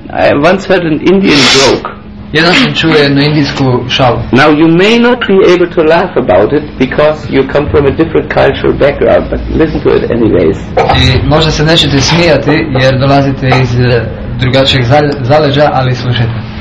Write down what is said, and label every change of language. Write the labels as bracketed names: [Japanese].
[English] I once heard an Indian joke. [Croatian] jedan sam čuje jednu indijsku šalu. [English] Now you may not be able to laugh about it because you come from a different cultural background, but listen to it anyways. [Croatian] I možda se nećete smijati jer dolazite iz drugačijeg zaleđa, ali slušajte.